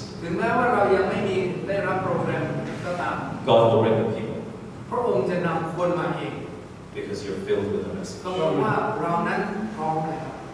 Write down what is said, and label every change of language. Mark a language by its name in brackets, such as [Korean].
[Thai] ถึงแม้ว่าเรายังไม่มีได้รับโปรแกรมก็ตาม [English] God will bring the people. [Thai] พระองค์จะนำคนมาเอง [English] Because you're filled with the message. [Thai] ก็เพราะว่าเรานั้นพร้อมแล้ว